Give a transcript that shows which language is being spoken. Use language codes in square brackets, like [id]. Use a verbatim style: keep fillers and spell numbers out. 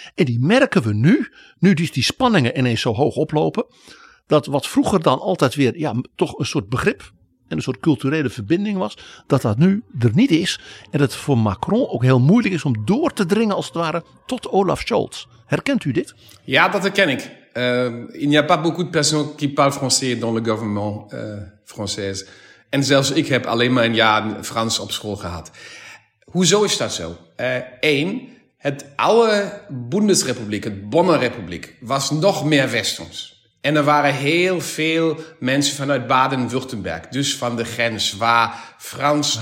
[nl] En die merken we nu, nu dus die spanningen ineens zo hoog oplopen. Dat wat vroeger dan altijd weer ja, toch een soort begrip en een soort culturele verbinding was, dat dat nu er niet is. En het voor Macron ook heel moeilijk is om door te dringen als het ware tot Olaf Scholz. Herkent u dit? Ja, dat herken ik. [fr] Uh, il n'y a pas beaucoup de personnes qui parlent français dans le gouvernement uh, français. [nl] En zelfs ik heb alleen maar een jaar Frans op school gehad. Hoezo is dat zo? Eén, uh, het oude Bundesrepubliek, het Bonnerrepubliek, was nog meer westers. En er waren heel veel mensen vanuit Baden-Württemberg. Dus van de grens waar Frans...